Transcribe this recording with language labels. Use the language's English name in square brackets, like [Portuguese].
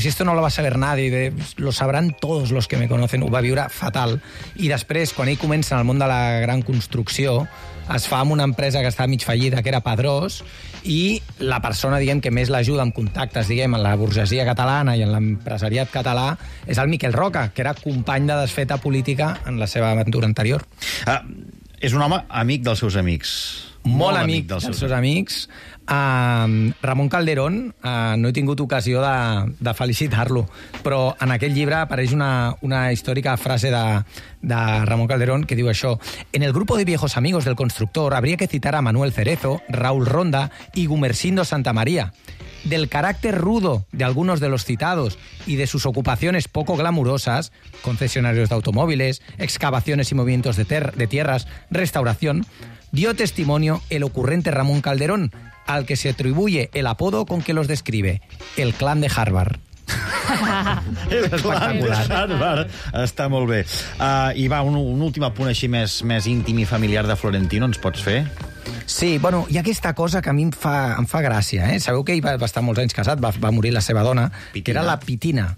[Spanish] Si esto no lo va a saber nadie, lo sabrán todos los que me conocen. [Catalan] Ho va viure fatal. I després, quan ell comença en el món de la gran construcció, es fa amb una empresa que estava mig fallida, que era Padrós, i la persona, diguem, que més l'ajuda amb contactes, diguem, en la burgesia catalana i en l'empresariat català, és el Miquel Roca, que era company de desfeta política en la seva aventura anterior. És un home amic dels seus amics. Molt amic dels seus amics. Ramon Calderón, no he tingut ocasió de felicitar-lo, però en aquest llibre apareix una històrica frase de Ramon Calderón que diu això: [Spanish] en el grupo de viejos amigos del constructor habría que citar a Manuel Cerezo, Raúl Ronda y Gumersindo Santa María. Del carácter rudo de algunos de los citados y de sus ocupaciones poco glamurosas, concesionarios de automóviles, excavaciones y movimientos de tierras, restauración, dio testimonio el ocurrente Ramón Calderón, al que se atribuye el apodo con que los describe, el clan de Harvard. [Catalan] El clan de Harvard està molt bé. I va, un últim apunt així més íntim i familiar de Florentino, ens pots fer? Sí, bueno, hi ha aquesta cosa que a mi em fa gràcia, eh? Sabeu que ell va estar molts anys casat, va morir la seva dona, Pitina. Que era la Pitina.